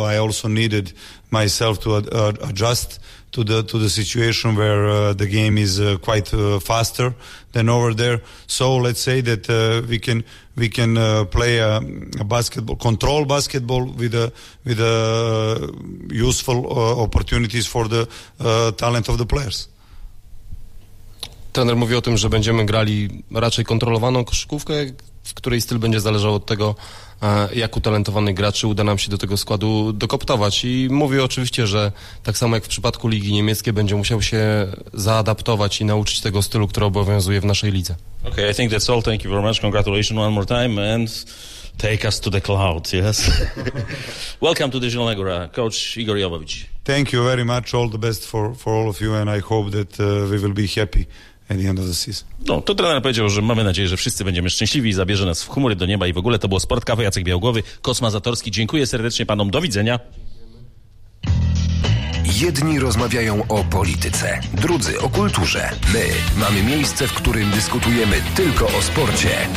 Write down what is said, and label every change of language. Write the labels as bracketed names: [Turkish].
[English] I also needed myself to adjust to the situation where the game is quite faster than over there. So let's say that we can play a basketball, control basketball with useful opportunities for the talent of the players. [Polish] Trener mówi o tym, że będziemy grali raczej kontrolowaną koszykówkę, w której styl będzie zależał od tego, jak utalentowanych graczy uda nam się do tego składu dokoptować. I mówię oczywiście, że tak samo jak w przypadku Ligi Niemieckiej, będzie musiał się zaadaptować i nauczyć tego stylu, który obowiązuje w naszej lidze. [English] Okay, I think that's all. Thank you very much. Congratulations one more time and take us to the clouds, yes? Welcome to the Zielona Góra, coach Igor Jovović. Thank you very much. All the best for all of you and I hope that we will be happy. [Polish] No, to trener powiedział, że mamy nadzieję, że wszyscy będziemy szczęśliwi i zabierze nas w chmury do nieba i w ogóle. To było Sport Kawy, Jacek Białogłowy, Kosma Zatorski. Dziękuję serdecznie panom, do widzenia. Jedni rozmawiają o polityce, drudzy o kulturze. My mamy miejsce, w którym dyskutujemy tylko o sporcie.